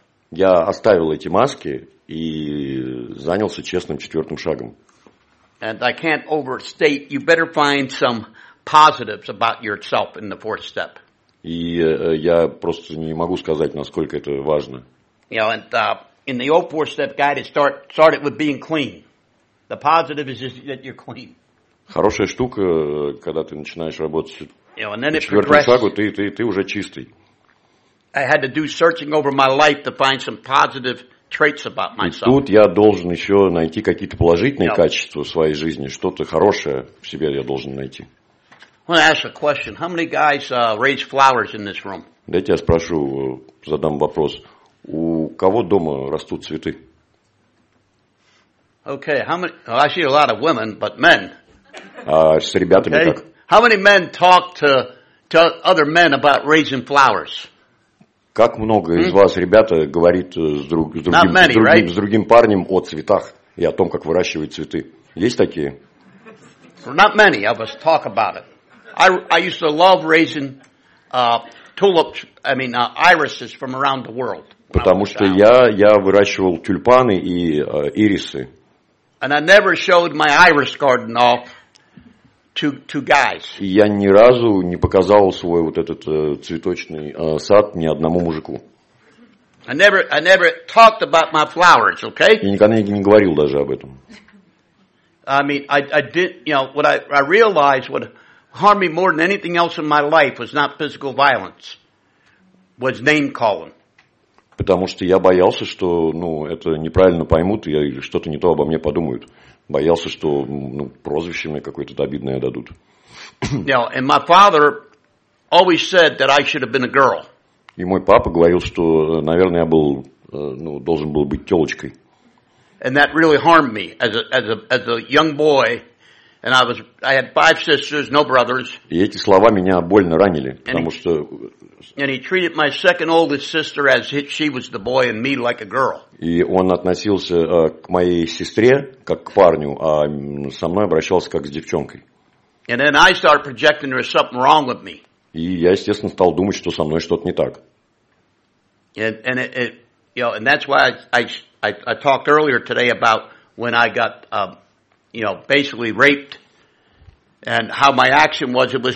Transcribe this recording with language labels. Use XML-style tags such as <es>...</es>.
<ru>Я оставил эти маски и занялся честным четвертым шагом.</ru> <en>And I can't overstate, you better find some positives about yourself in the fourth step.</en> <ru>И я просто не могу сказать, насколько это важно.</ru> <en>You know, and, in the old four-step guide, it started with being clean. The positive is just that you're clean.</en> <ru>Хорошая штука, когда ты начинаешь работать.</ru> <en>You know, and then it progressed.</en> <ru>Шагу, ты уже чистый.</ru> <en>I had to do searching over my life to find some positive traits about myself.</en> <ru>И тут я должен еще найти какие-то положительные качества в своей жизни, что-то хорошее в себе я должен найти.</ru> <en>I want to ask a question. How many guys raise flowers in this room?</en> <ru>Дайте я спрошу, задам вопрос. У кого дома растут цветы?</ru> <en>Okay, how many? Well, I see a lot of women, but men.</en> <ru>А с ребятами okay. Как?</ru> <en>How many men talk to other men about raising flowers?</en> <ru>Как много из вас, ребята, говорит с другим парнем о цветах и о том, как выращивать цветы? Есть такие?</ru> <en>Not many of us talk about it. I used to love raising tulips, irises from around the world.</en> <ru>Потому что я выращивал тюльпаны и ирисы.</ru> <en>And I never showed my iris garden off to guys.</en> <ru>Я ни разу не показал свой вот этот цветочный сад ни одному мужику.</ru> <en>I never talked about my flowers, okay?</en> <ru>Я никогда не говорил даже об этом.</ru> <en>I realized what harmed me more than anything else in my life was not physical violence, was name calling.</en> <ru>Потому что я боялся, что, ну, это неправильно поймут, я что-то не то обо мне подумают. Боялся, что, ну, прозвище мне какое-то обидное дадут.</ru> <en>Now, and my father always said that I should have been a girl.</en> <ru>И мой папа говорил, что, наверное, я был, ну, должен был быть тёлочкой.</ru> <en>And that really harmed me as a young boy, and I had five sisters, no brothers.</en> <ru>И эти слова меня больно ранили, потому что.</ru> <en>And he treated my second oldest sister as if she was the boy and me like a girl.</en> <ru>И он относился к моей сестре как к парню, а со мной обращался как с девчонкой.</ru> <en>And then I started projecting there was something wrong with me.</en> <ru>И я, естественно, стал думать, что со мной что-то не так.</ru> <en>And that's why I talked earlier today about when I got basically raped and how my action was.</en>